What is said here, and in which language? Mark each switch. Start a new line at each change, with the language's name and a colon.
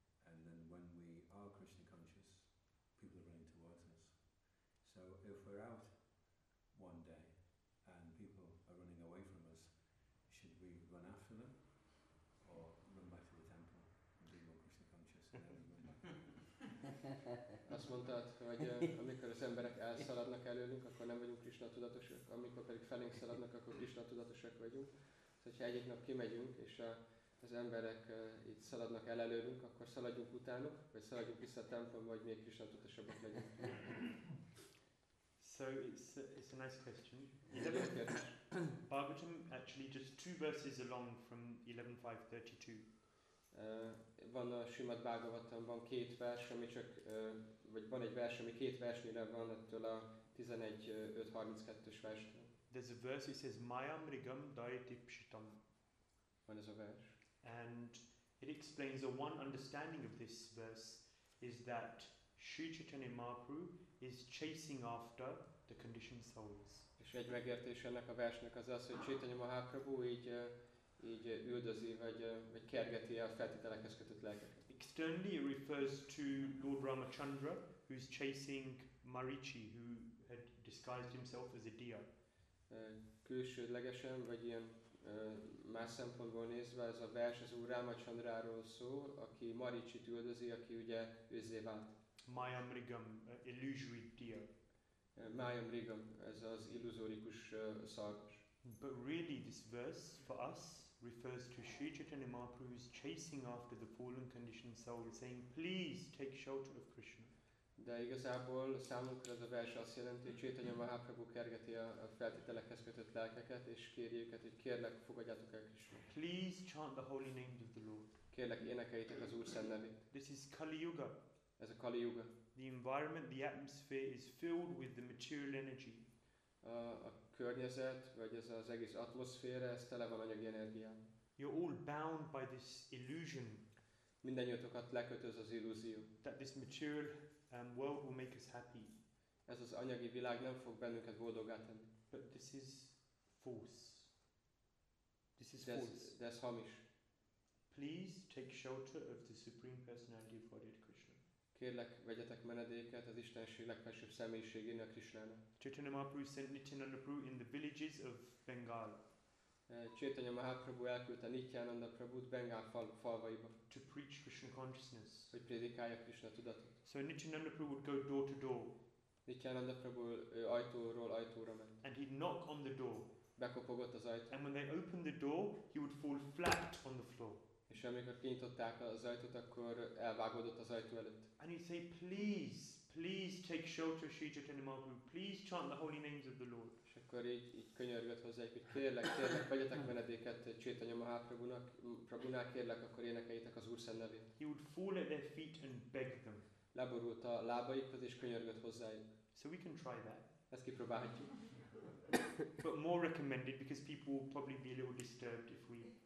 English: And then when we are Krishna conscious, people are running towards us. So if we're out one day and people are running away from us, should we run after them or run back to the temple and be more Krishna conscious?
Hungarian: Azt mondtad, hogy amikor az emberek elszaladnak előlünk, akkor nem vagyunk Krishna tudatosak, amikor pedig felénk szaladnak, akkor Krishna tudatosak vagyunk. Tehát, hogyha egyik nap kimegyünk, és az emberek itt szaladnak el előlünk, akkor szaladjunk utánuk, vagy szaladjunk vissza a templomba, hogy még Krishna tudatosabbak legyünk.
English: So it's a nice question. Bhagavatam actually just two verses along from 11.5.32.
Hungarian: Van a Srimad Bhagavatam, van két vers, ami csak, vagy van egy vers, ami két versnyire van ettől a 11.5.32-es versről.
English: There's a verse, it says,
Sanskrit: Mayam rigam dayati pshitam.
Hungarian: Van ez a vers.
English: And it explains, the one understanding of this verse is that Sri Chaitanya Mahaprabhu is chasing after the conditioned souls.
Hungarian: És egy megértés ennek a versnek az az, hogy Chaitanya Mahaprabhu így így üldözi, vagy kergeti a feltételekhez kötött lelkeket.
English: Externally it refers to Lord Ramachandra, who is chasing Marichi, who had disguised himself as a deer.
Hungarian: Külsődlegesen, vagy ilyen más szempontból nézve, ez a vers az Úr Ramachandráról szól, aki Marichit üldözi, aki ugye őzzé vált.
English: Mayam rigam, illusory deer.
Hungarian: Mayam rigam, ez az illuzórikus szarvas.
English: But really this verse for us refers to Sri Chaitanya Mahaprabhu who is chasing after the fallen conditioned soul saying please take shelter of Krishna.
Hungarian: De igazából számunkra ez a vers azt jelenti, hogy Chaitanya Mahaprabhu kergeti a feltételekhez kötött lelkeket és kéri őket, hogy kérlek fogadjátok el Krishna.
English: Please chant the holy names of the Lord.
Hungarian: Kérlek énekeljétek az Úr szent nevét.
English: This is Kali Yuga.
Hungarian: Ez a Kali Yuga.
English: The environment, the atmosphere is filled with the material energy.
Hungarian: A környezet, vagy ez az egész atmoszféra, ez tele van anyagi energián.
English: You're all bound by this illusion.
Hungarian: Mindennyiótokat lekötöz az illúzió.
English: That this material world will make us happy.
Hungarian: Ez az anyagi világ nem fog bennünket boldoggá tenni.
English: But this is false. This is
Hungarian: false. De ez hamis.
English: Please take shelter of the Supreme Personality of Godhead Krishna.
Hungarian: Kérlek, vegyetek menedéket az Istenség legfelsőbb személyiségén, a Krishnának.
English: Chaitanya Mahaprabhu sent Nityananda Prabhu in the villages of Bengal.
Hungarian: Chaitanya Mahaprabhu elküldte Nityananda Prabhut Bengal falvaiba.
English: To preach Krishna consciousness.
Hungarian: Hogy prédikálja Krishna tudatot.
English: So Nityananda Prabhu would go door to door.
Hungarian: Nityananda Prabhu ajtóról ajtóra ment.
English: And he'd knock on the door.
Hungarian: Bekopogott az ajtó.
English: And when they opened the door, he would fall flat on the floor.
Hungarian: És amikor kinyitották az ajtót, akkor elvágódott az ajtó előtt.
English: And he say, please, please take shelter, Sri Chaitanya Mahaprabhu. Please chant the holy names of the Lord.
Hungarian: És akkor így könyörgött hozzá, hogy kérlek, vegyetek menedéket Chaitanya Mahaprabhunak, Prabhunak, kérlek, akkor énekeljétek az Úr szent nevét.
English: He would fall at their feet and beg them.
Hungarian: Leborult a lábaikhoz és könyörgött hozzájuk.
English: So we can try that.
Hungarian: Ezt kipróbálhatjuk.
English: But more recommended, because people will probably be a little disturbed if we...